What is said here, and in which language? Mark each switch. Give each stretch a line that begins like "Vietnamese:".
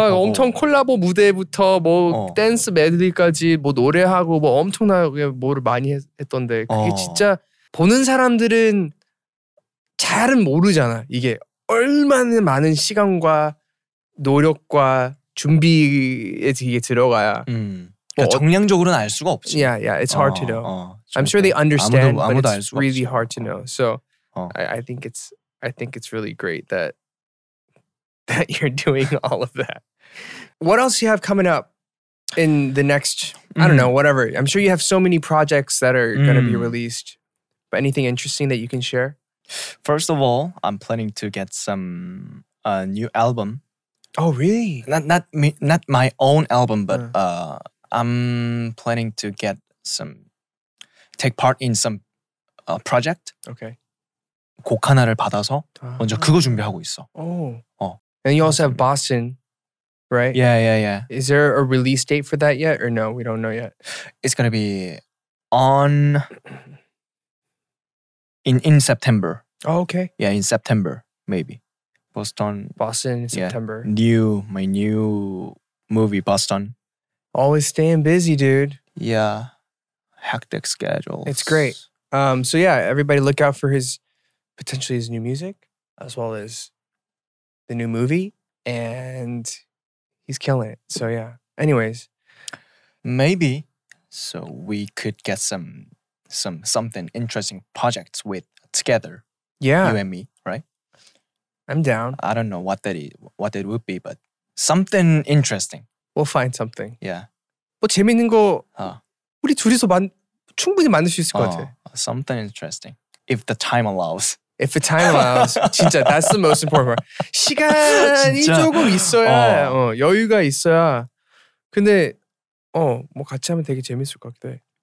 Korean: 막 엄청 콜라보 무대부터 뭐 댄스 메들리까지 뭐 노래하고 뭐 엄청나게 뭐를 많이 했던데 그게 진짜 보는 사람들은 잘은 모르잖아. 이게 얼마나 많은 시간과 노력과 준비에 이게 들어가야 그러니까 뭐 정량적으로는 알 수가 없지.
English: Yeah, yeah. It's hard to know. I'm sure they understand,
Korean: 아무도
English: but it's really
Korean: 없지.
English: hard to know. So I think it's really great that you're doing all of that. What else do you have coming up in the next, I don't know, whatever. I'm sure you have so many projects that are going to be released. But anything interesting that you can share? First of all, I'm planning to get some new album. Oh, really? Not my own album, but I'm planning to get some, take part in some project. Okay.
Korean: 곡 하나를 받아서 먼저 그거 준비하고 있어.
English: Oh. And you also have Boston, right? Yeah, yeah, yeah. Is there a release date for that yet or no? We don't know yet. It's going to be on… In September. Oh, okay. Yeah, in September, maybe. Boston. Boston, September. Yeah, my new movie, Boston. Always staying busy, dude. Yeah. Hectic schedules. It's great. So yeah, everybody look out for potentially his new music, as well as the new movie. And he's killing it. So yeah. Anyways. Maybe. So we could get something interesting projects with together. Yeah. You and me, right? I'm down. I don't know what it would be, but something interesting. We'll find something. Yeah.
Korean: 뭐 재밌는 거 우리 둘이서 충분히 만들 수 있을 것 같아.
English: Something interesting. If the time allows. If the time allows.
Korean: 진짜
English: that's the most important part.
Korean: 시간이 조금 있어야 여유가 있어야. 근데 뭐 같이 하면 되게 재밌을 것 같아.